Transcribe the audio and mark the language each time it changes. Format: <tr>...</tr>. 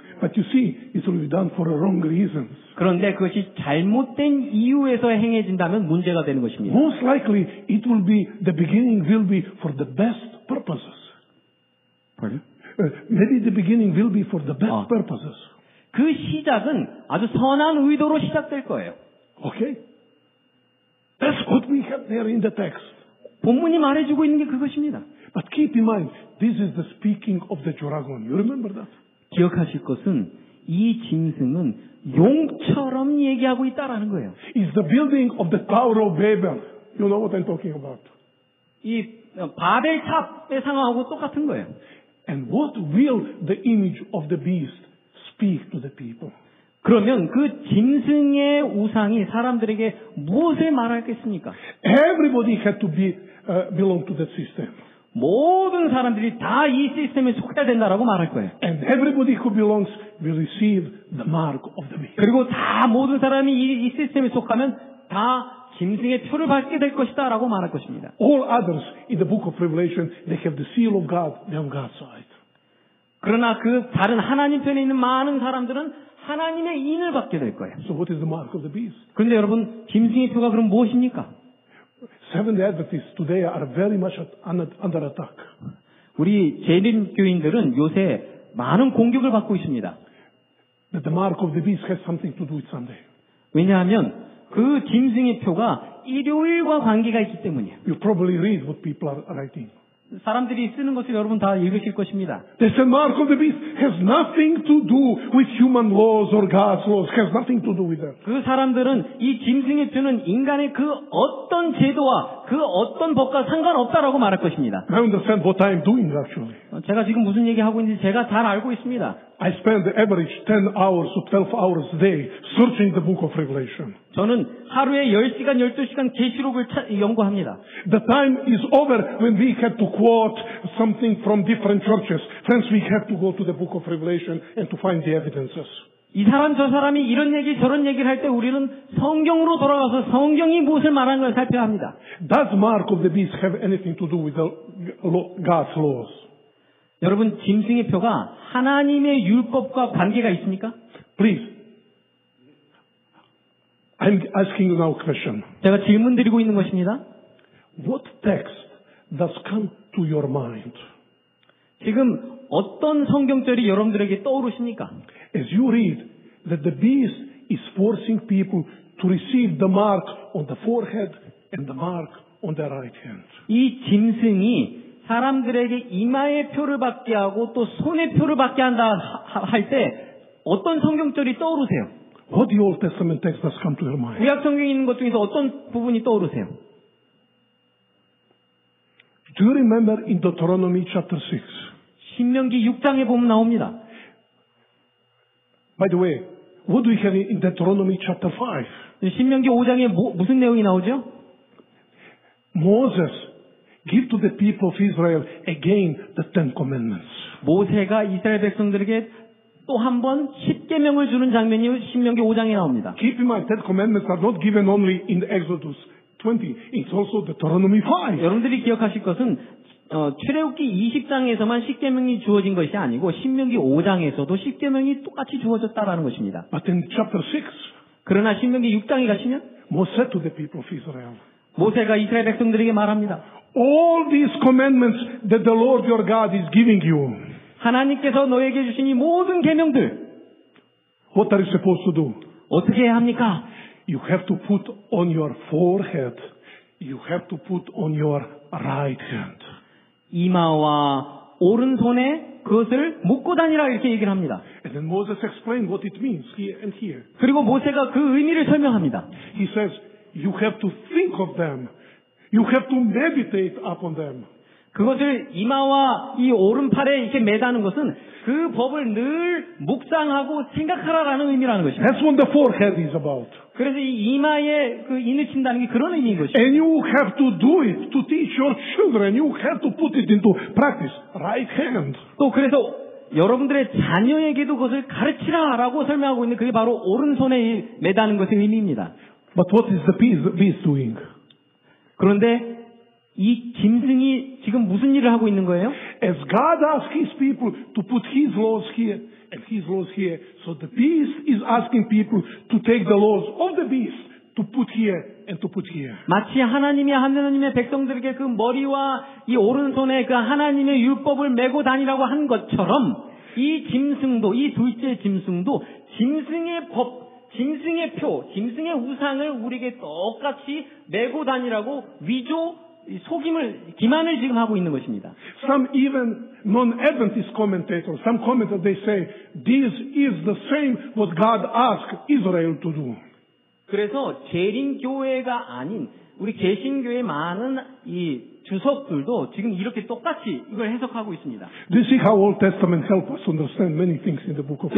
<en>But you see, it will be done for the wrong reasons.</en> <ko>그런데 그것이 잘못된 이유에서 행해진다면 문제가 되는 것입니다.</ko> <en>Most likely, it will be the beginning will be for the best purposes. Maybe the beginning will be for the best purposes.</en> <ko>그 시작은 아주 선한 의도로 시작될 거예요.</ko> <en>Okay. That's what we have there in the text.</en> <ko>본문이 말해주고 있는 게 그것입니다.</ko> <en>But keep in mind, this is the speaking of the dragon. You remember that?</en> <ko>기억하실 것은 이 짐승은 용처럼 얘기하고 있다라는 거예요.</ko> <en>It's the building of the Tower of Babel. You know what I'm talking about?</en> <ko>이 바벨탑의 상황하고 똑같은 거예요.</ko> <en>And what will the image of the beast speak to the people?</en> <ko>그러면 그 짐승의 우상이 사람들에게 무엇을 말하겠습니까?</ko> <en>Everybody had to be belong to that system.</en> <ko>모든 사람들이 다 이 시스템에 속해야 된다라고 말할 거예요.</ko> <en>And everybody who belongs will receive the mark of the beast.</en> <ko>그리고 다 모든 사람이 이 시스템에 속하면 다 짐승의 표를 받게 될 것이다라고 말할 것입니다.</ko> <en>All others in the book of Revelation they have the seal of God on God's side.</en> <ko>그러나 그 다른 하나님 편에 있는 많은 사람들은 하나님의 인을 받게 될 거예요.</ko> <en>So what is the mark of the beast?</en> <ko>그런데 여러분, 짐승의 표가 그럼 무엇입니까?</ko> <en>Seventh-day Adventists today are very much under attack.</en> <ko>우리 재림 교인들은 요새 많은 공격을 받고 있습니다.</ko> <en>But the mark of the beast has something to do with Sunday.</en> <ko>왜냐하면 그 짐승의 표가 일요일과 관계가 있기 때문이에요.</ko> <en>You probably read what people are writing.</en> <ko>사람들이 쓰는 것을 여러분 다 읽으실 것입니다.</ko> <en>The mark of the beast has nothing to do with human laws or God's laws. Has nothing to do with that.</en> <ko>그 사람들은 이 짐승의 표는 인간의 그 어떤 제도와 그 어떤 법과 상관없다라고 말할 것입니다.</ko> <en>I understand what I'm doing actually.</en> <ko>제가 지금 무슨 얘기하고 있는지 제가 잘 알고 있습니다.</ko> <en>I spend average 10 hours to 12 hours a day searching the book of Revelation.</en> <ko>저는 하루에 10시간, 12시간 계시록을 연구합니다.</ko> <en>The time is over when we had to quote something from different churches. Friends, we have to go to the book of Revelation and to find the evidences.</en> <ko>이 사람, 저 사람이 이런 얘기, 저런 얘기를 할 때 우리는 성경으로 돌아가서 성경이 무엇을 말하는 걸 살펴야 합니다.</ko> <en>Does mark of the beast have anything to do with God's laws?</en> <ko>여러분, 짐승의 표가 하나님의 율법과 관계가 있습니까?</ko> <en>Please. I'm asking you now a question.</en> <ko>제가 질문 드리고 있는 것입니다.</ko> <en>What text does come to your mind?</en> <ko>지금 어떤 성경절이 여러분들에게 떠오르십니까?</ko> <en>As you read that the beast is forcing people to receive the mark on the forehead and the mark on their right hand.</en> <ko>이 짐승이 사람들에게 이마에 표를 받게 하고 또 손에 표를 받게 한다 할 때 어떤 성경절이 떠오르세요?</ko> <en>What the Old Testament text has come to your mind?</en> <ko>구약 성경에 있는 것 중에서 어떤 부분이 떠오르세요?</ko> <en>Do you remember in Deuteronomy chapter 6?</en> <ko>신명기 6장에 보면 나옵니다.</ko> <en>By the way, what do we have in Deuteronomy chapter 5?</en> <ko>신명기 5장에 무슨 내용이 나오죠?</ko> <en>Moses give to the people of Israel again the Ten Commandments.</en> <ko>모세가 이스라엘 백성들에게 또 한 번 십계명을 주는 장면이 신명기 5장에 나옵니다.</ko> <en>Keep in mind, the commandments are not given only in Exodus 20. It's also Deuteronomy 5.</en> <ko>여러분들이 기억하실 것은 출애굽기 20장에서만 십계명이 주어진 것이 아니고 신명기 5장에서도 십계명이 똑같이 주어졌다라는 것입니다.</ko> <en>But in chapter 6,</en> <ko>그러나 신명기 6장에 가시면</ko> <en>Moses to the people of Israel.</en> <ko>모세가 이스라엘 백성들에게 말합니다.</ko> <en>All these commandments that the Lord your God is giving you.</en> <ko>하나님께서 너에게 주신 이 모든 계명들.</ko> <en>What are you supposed to do?</en> <ko>어떻게 해야 합니까?</ko> <en>You have to put on your forehead. You have to put on your right hand.</en> <ko>이마와 오른손에 그것을 묶고 다니라 이렇게 얘기를 합니다.</ko> <en>And then Moses explained what it means here and here.</en> <ko>그리고 모세가 그 의미를 설명합니다.</ko> <en>He says you have to think of them. You have to meditate upon them.</en> <ko>그것을 이마와 이 오른팔에 이렇게 매다는 것은 그 법을 늘 묵상하고 생각하라라는 의미라는 것입니다.</ko> <en>That's what the forehead is about.</en> <ko>그래서 이 이마에 그 이누친다는 게 그런 의미인 것이죠.</ko> <en>And you have to do it to teach your children. You have to put it into practice. Right hand.</en> <ko>또 그래서 여러분들의 자녀에게도 그것을 가르치라라고 설명하고 있는 그게 바로 오른손에 매다는 것의 의미입니다.</ko> <en>But what is the beast doing?</en> <ko>그런데 이 짐승이 지금 무슨 일을 하고 있는 거예요?</ko> <en>As God asks His people to put His laws here and His laws here, so the beast is asking people to take the laws of the beast to put here and to put here.</en> <ko>마치 하나님이 하나님의 백성들에게 그 머리와 이 오른손에 그 하나님의 율법을 메고 다니라고 한 것처럼 이 짐승도 이 둘째 짐승도 짐승의 법 짐승의 표, 짐승의 우상을 우리에게 똑같이 메고 다니라고 위조, 속임을, 기만을 지금 하고 있는 것입니다.</ko> <en>Some even non-Adventist commentators, some commentators, they say, this is the same what God asked Israel to do.</en> <ko>그래서 재림교회가 아닌 우리 개신교회 많은 이 주석들도 지금 이렇게 똑같이 이걸 해석하고 있습니다.</ko> <en>Do you see how Old Testament helps us understand many things in the book of Genesis?</en>